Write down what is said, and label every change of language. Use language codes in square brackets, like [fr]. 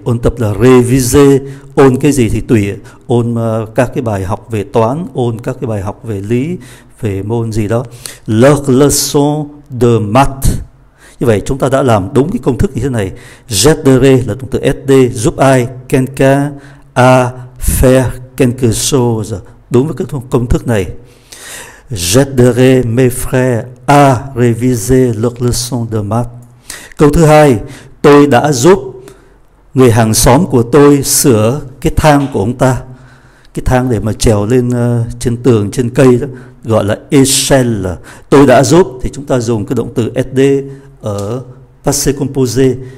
[vi] Ôn tập là réviser. Ôn cái gì thì tùy, ôn các cái bài học về toán, ôn các cái bài học về lý, về môn gì đó. [fr] Leur leçon de maths. [vi] Như vậy chúng ta đã làm đúng cái công thức như thế này. J'aiderai là động từ SD, giúp ai? [fr] Quelqu'un à faire quelque chose. [vi] Đúng với cái công thức này. [fr] J'aiderai mes frères à réviser leur leçon de maths. [vi] Câu thứ hai, tôi đã giúp người hàng xóm của tôi sửa cái thang của ông ta. Cái thang để mà trèo lên trên tường, trên cây đó, gọi là échelle. Tôi đã giúp, thì chúng ta dùng cái động từ SD ở passé composé.